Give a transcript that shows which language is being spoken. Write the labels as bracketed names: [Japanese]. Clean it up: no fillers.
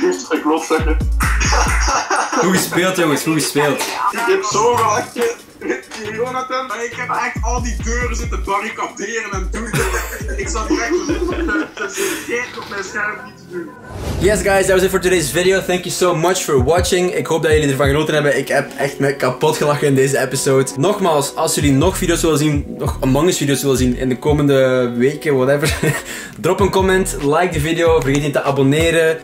[Dutch] Ik geloof zeggen. Hoe gespeeld, jongens, hoe gespeeld. Ik heb zo gelachen. Jonathan. Maar ik heb echt al die deuren zitten barricaderen en doen. Ik zat echt op mijn scherm niet te doen. [English] Yes guys, that was it for today's video. Thank you so much for watching. [Dutch] Ik hoop dat jullie ervan genoten hebben. Ik heb echt me kapot gelachen in deze episode. Nogmaals, als jullie nog video's willen zien, nog Among Us video's willen zien in de komende weken, whatever. Drop een comment, like de video, vergeet niet te abonneren.